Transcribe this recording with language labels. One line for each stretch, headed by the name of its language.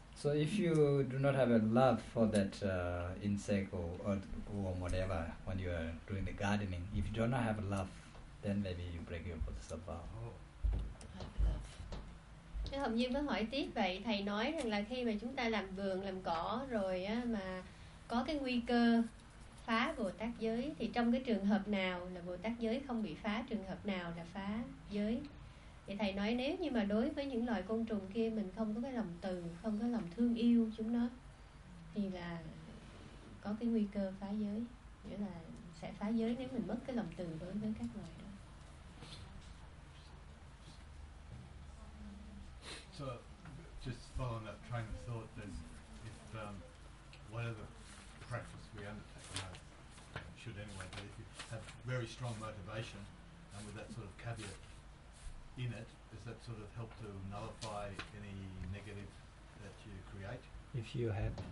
English: so if you do not have a love for that insect or earth or whatever when you are doing the gardening, if you do not have a love, then maybe you break your bodhisattva. Oh. I have love.
Vietnamese: Hồng Dương mới hỏi tiếp vậy, thầy nói rằng là khi mà chúng ta làm vườn, làm cỏ rồi á, mà có cái nguy cơ phá Bồ Tát giới, thì trong cái trường hợp nào là Bồ Tát giới không bị phá, trường hợp nào là phá giới? Thì thầy nói nếu như mà đối với những loài côn trùng kia mình không có cái lòng từ, không có lòng thương yêu chúng nó thì là có cái nguy cơ phá giới, nghĩa là sẽ phá giới nếu mình mất cái lòng từ đối với các loài đó.
English: So just following that train of thought, then if whatever practice we undertake should anyway, but if you have very strong motivation and with that sort of caveat in it, does that sort of help to nullify any negative that you create?